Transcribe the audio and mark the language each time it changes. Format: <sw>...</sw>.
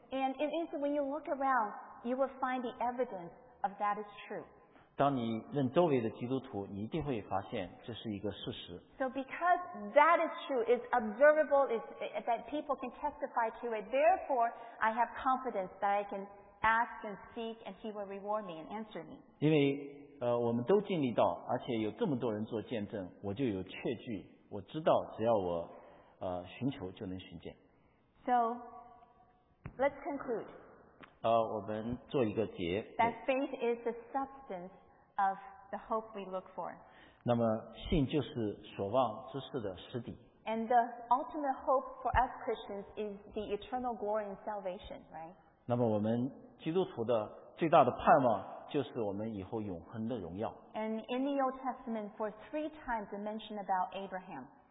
<en>And it is when you look around, you will find the evidence. Of that is true.</en> <zh>当你问周围的基督徒，你一定会发现这是一个事实。</zh> <en>So because that is true, it's observable, it's that people can testify to it. Therefore, I have confidence that I can ask and seek, and He will reward me and answer me.</en> <zh>因为我们都经历到，而且有这么多人做见证，我就有确据，我知道只要我寻求就能寻见。</zh> <en>So let's conclude.</en> <zh>我们做一个结。</zh> <en>That faith is the substance of the hope we look for.</en> <zh>那么信就是所望之事的实底。</zh> <en>And the ultimate hope for us Christians is the eternal glory and salvation, right?</en> <zh>那么我们基督徒的最大的盼望就是我们以后永恒的荣耀。</zh> <en>And in the Old Testament, for three times it mentioned about Abraham.</en>